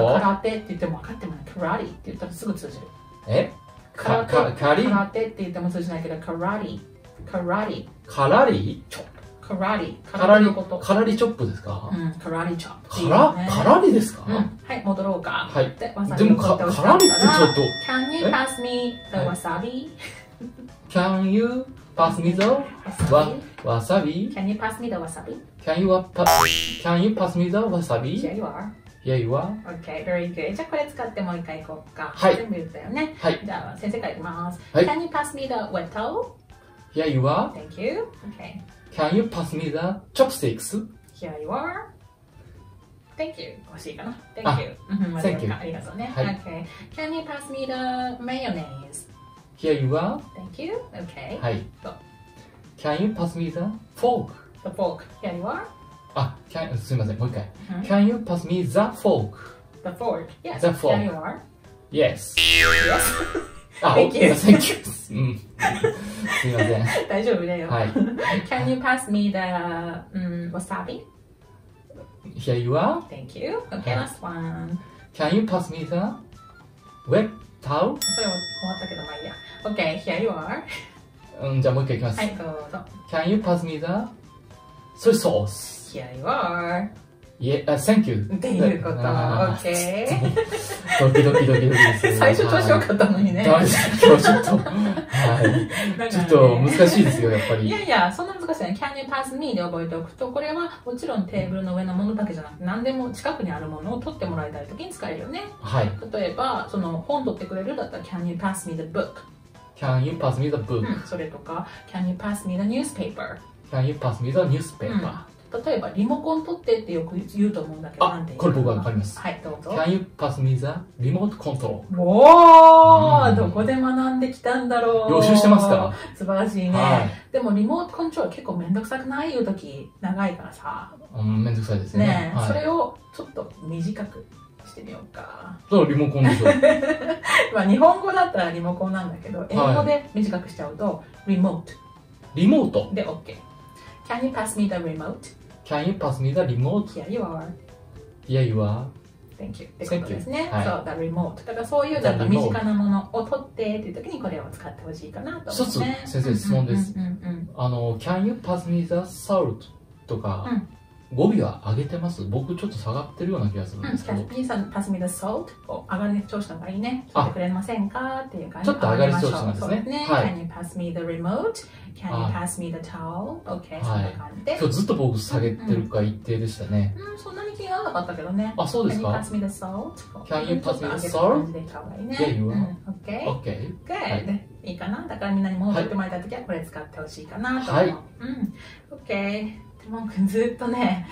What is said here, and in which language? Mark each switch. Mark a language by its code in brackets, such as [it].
[ja] 例えばカラテって言っても分かってもない。カラリって言ったらすぐ通じる。え？カリ？カラテって言っても通じないけど、カラリ。カラリ。カラリチョップ。カラリ。カラリのこと。カラリチョップですか？うん、カラリチョップ。カラリですか、うん、はい、戻ろうか。はい。でも、カラリってちょっと。 [en] Can you pass me the wasabi? Can you pass me the wasabi? Can you pass me the wasabi? Can you pass me the wasabi? Can you pass me the wasabi? Yeah, you are. Yeah, you are. Okay, very good. [ja] じゃあこれ使ってもう一回行こうか。はい。全部言ったよね。はい。じゃあ先生から行きます。はい。 [en] Can you pass me the wettle? Yeah, you are. Thank you. Okay. Can you pass me the chopsticks? Here you are. Thank you. 欲しいかな? Thank you. Thank you. [ja] ありがとうね。はい。 [en] Okay. Can you pass me the mayonnaise? Here you are. Thank you. Okay. はい。Can you pass me the fork? The fork. Here you are. [ja] あ、すみません。もう一回。 [en] Can you pass me the fork? The fork. Yes. The fork. Here you are. Yes. Yes. Thank you. Thank you. うん。すみません。 [ja] 大丈夫だよ。はい。 [en] Can you pass me the、wasabi? Here you are. Thank you. Okay, last one. Can you pass me the wet towel? [ja] それ終わったけど、まあいいや。 [en] Okay, here you are. [ja] うん、じゃあもう一回いきます。はい、どうぞ。 [en] Can you pass me the soy sauce? Here you are. Yeah, thank you. [ja] ということ。OK。ドキドキドキドキです。最初調子良かったのにね。今日ちょっと、はい。ちょっと難しいですよ、やっぱり。いやいや、そんな難しいね。 [en] Can you pass me? [ja] で覚えておくと、これはもちろんテーブルの上のものだけじゃなくて、何でも近くにあるものを取ってもらいたいときに使えるよね。はい。例えば、その本取ってくれるだったら、 Can you pass me the book? [en] Can you pass me the book?、うん、それとか、 Can you pass me the newspaper? Can you pass me the newspaper?、 [ja] うん、例えばリモコン取ってってよく言うと思うんだけど、あ、なんて言うの？これ僕は分かります。はい、どうぞ。 [en] Can you pass me the remote control? [ja] おー、うん、どこで学んできたんだろう。予習してますか？素晴らしいね、はい、でもリモートコントロール結構めんどくさくない？言うとき長いからさ、うん、めんどくさいです ね、はい、それをちょっと短くしてみようか。そう、リモコンでしょ。まあ日本語だったらリモコンなんだけど、英語で短くしちゃうと、はい、リモート。リモートで OK。 [en] Can you pass me the remote Can you pass me the remote? Here you are. Here you are. [ja] Thank you. ってことですね。はい、そう、the remote。だからそういうちょっと身近なものを取ってっていう時にこれを使ってほしいかなと思って、ね。一つ、先生、質問です。うんうんうんうん、 [en] あの、 Can you pass me the salt? とか、 [ja] うん、語尾は上げてます。僕、ちょっと下がってるような気がするんですけど。 [en] うん、 Can you pass me the salt? [ja] を上がり調子の方がいいね。聞いてくれませんかっていう感じ。ちょっと上がり調子なんですね。ね、はい。 [en] Can you pass me the remote? Can you pass me the towel? Okay, [ja] はい、そんな感じで。今日ずっと僕下げてるか一定でしたね。うんうん、そんなに気にならなかったけどね。あ、そうですか。 [en] Can you pass me the salt? Can you pass me the salt? Yeah, you are. Okay. Okay. [ja] Good.、はい、いいかな。だからみんなに戻ってもらいたいときはこれ使ってほしいかなと思う。はい。うん。Okay. もくんずっとね、